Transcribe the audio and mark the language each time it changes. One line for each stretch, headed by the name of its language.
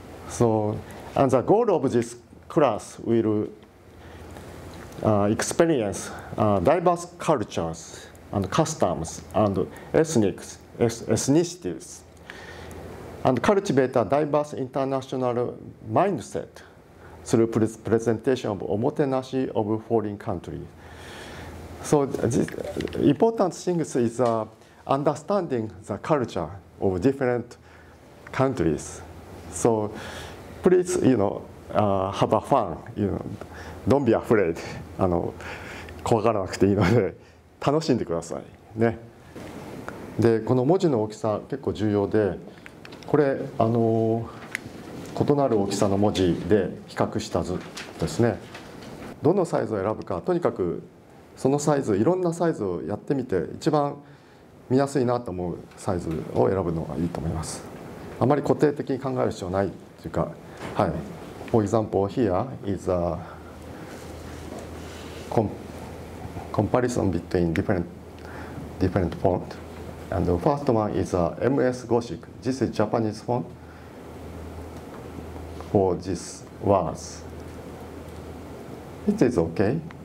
English: So, and the goal of this class will experience diverse cultures and customs and ethnicities and cultivate a diverse international mindsetthrough presentation of omotenashi of foreign country. So the important thing is understanding the culture of different countries. So please, you know, have a fun, you know, don't be afraid.
Japanese: 怖がらなくていいので楽しんでくださいね。で、この文字の大きさ結構重要で、これ異なる大きさの文字で比較した図ですね。どのサイズを選ぶか、とにかくそのサイズ、いろんなサイズをやってみて一番見やすいなと思うサイズを選ぶのがいいと思います。あまり固定的に考える必要ないというか、はい。
English: For example, here is a comparison between different font, and the first one is a MS Gothic. This is Japanese fontFor this words, it is okay.